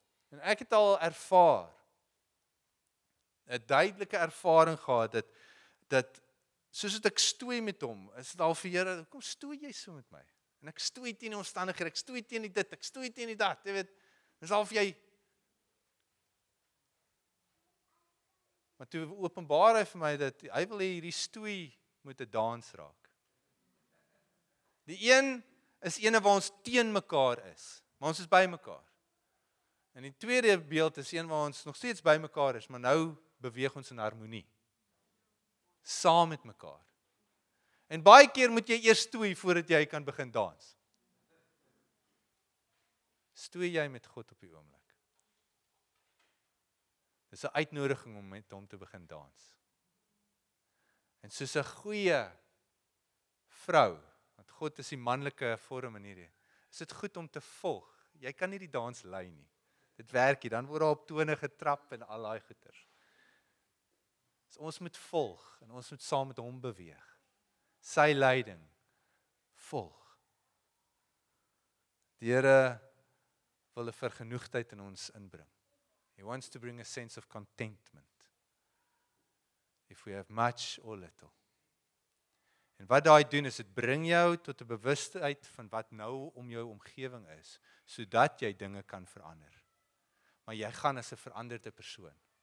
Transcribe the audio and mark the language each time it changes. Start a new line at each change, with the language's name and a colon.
Afrikaans: En ek het al ervaar, 'n duidelike ervaring gehad, dat soos het ek stoei met hom, is het al vir Here, kom stoei jy so met my? En ek stoei teen die omstandighede, ek stoei teen die dit, ek stoei teen die dat, jy weet, is al vir jy, maar toe openbaar hy vir my, dat hy wil hierdie stoei moet 'n dans raak. Die een is ene waar ons teen mekaar is, maar ons is by mekaar. En die tweede beeld is een waar ons nog steeds by mekaar is, maar nou beweeg ons in harmonie. Saam met mekaar. En baie keer moet jy eers stoei voordat jy kan begin dans. Stoei jy met God op die oomblik? Dis 'n uitnodiging om met hom te begin dans. En soos 'n goeie vrou, want God is die manlike vorm in hierdie, is dit goed om te volg. Jy kan nie die dans lei nie. Dit werk nie, dan word daar op tone getrap en al daai goeters. Ons moet volg en ons moet saam met hom beweeg. Sy leiding volg. Die Here wil 'n vergenoegdheid in ons inbring.
English: He wants to bring a sense of contentment. If we have much or little.
Afrikaans: En wat daai doen is, dit bring jou tot 'n bewustheid van wat nou om jou omgewing is, sodat jy dinge kan verander. Maar jy gaan as 'n veranderde persoon.